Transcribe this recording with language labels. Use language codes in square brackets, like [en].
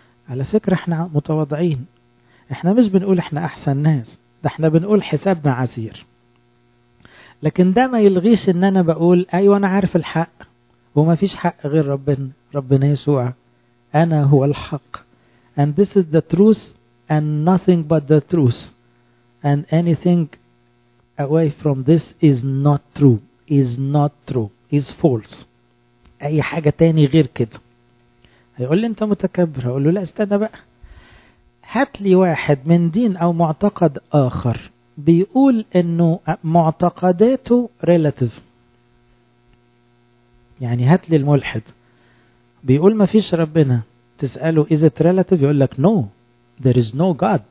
[ar] على فكرة إحنا متواضعين، إحنا مش بنقول إحنا أحسن ناس، ده إحنا بنقول حسابنا عسير. لكن ده ما يلغيش إن أنا بقول أيوة أنا عارف الحق، وما فيش حق غير ربنا يسوع، أنا هو الحق. [en] And this is the truth and nothing but the truth. And anything away from this is not true. Is not true. Is false. [ar] أي حاجة تاني غير كده. هيقول لي أنت متكبر، هقول له لا استنى بقى. هات لي واحد من دين أو معتقد آخر بيقول إنه معتقداته relative. يعني هات لي الملحد بيقول ما فيش ربنا، تسأله [en] is it relative؟ [ar] يقول لك [en] no, there is no God.